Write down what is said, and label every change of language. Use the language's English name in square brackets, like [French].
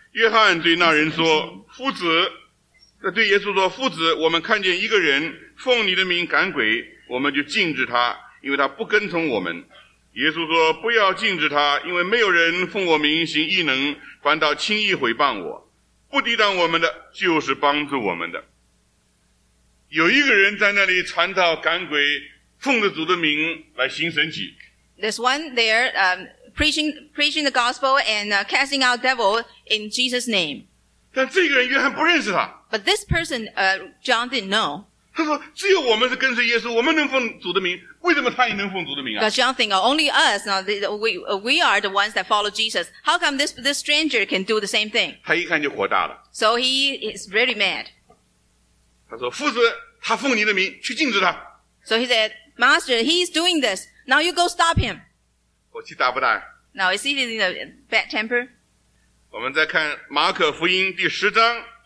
[Chinese] 约翰对那人说夫子对耶稣说夫子我们看见一个人奉你的名赶鬼我们就禁止他因为他不跟从我们。耶稣说不要禁止他因为没有人奉我名行异能反倒轻易毁谤我。不抵挡我们的就是帮助我们的。有一个人在那里传道赶鬼奉着主的名来行神迹。 [English] There's one there, preaching the gospel and casting out devil in Jesus' name. [Chinese] 但这个人约翰不认识他。 [English] But this person, John didn't know. [Chinese] 他说只有我们是跟随耶稣我们能奉主的名为什么他也能奉主的名啊 [English] Because John think, only us, now, we are the ones that follow Jesus. How come this stranger can do the same thing? [Chinese] 他一看就火大了。 [English] So he is really mad. [Chinese] 他说夫子他奉你的名去禁止他。 [English] So he said, Master, he's doing this. Now you go stop him. [Chinese] 火气大不大? [English] Now is he in a bad temper? [Chinese] 我们再看马可福音第十章。